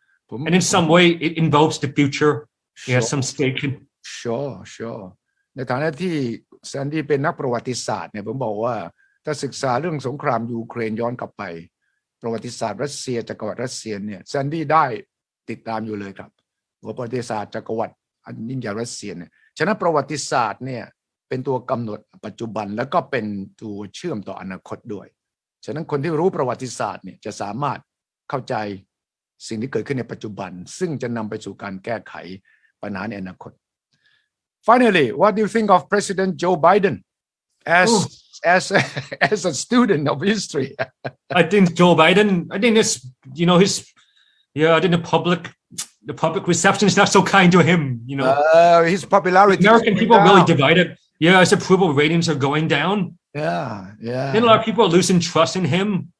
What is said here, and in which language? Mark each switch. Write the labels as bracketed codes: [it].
[en] And in some way, it involves the future. Sure. It has some stake in. Sure, sure. [th] ในฐานะที่แซนดี้เป็นนักประวัติศาสตร์เนี่ยผมบอกว่าถ้าศึกษาเรื่องสงครามยูเครนย้อนกลับไปประวัติศาสตร์รัสเซียจักรวรรดิรัสเซียเนี่ยแซนดี้ได้ ติดตามอยู่เลยครับว่าประวัติศาสตร์จักรวรรดิอันยิ่งใหญ่รัสเซียเนี่ยฉะนั้นประวัติศาสตร์เนี่ยเป็นตัวกำหนดปัจจุบันแล้วก็เป็นตัวเชื่อมต่ออนาคตด้วยฉะนั้นคนที่รู้ประวัติศาสตร์เนี่ยจะสามารถเข้าใจสิ่งที่เกิดขึ้นในปัจจุบันซึ่งจะนำไปสู่การแก้ไขปัญหาในอนาคต [en] Finally, what do you think of President Joe Biden as a student of history? I think Joe Biden, I think it's, you know, I think the public reception is not so kind to him, you know. His popularity. American people really divided. Yeah, his approval ratings are going down. Yeah, yeah. And a lot of people are losing trust in him.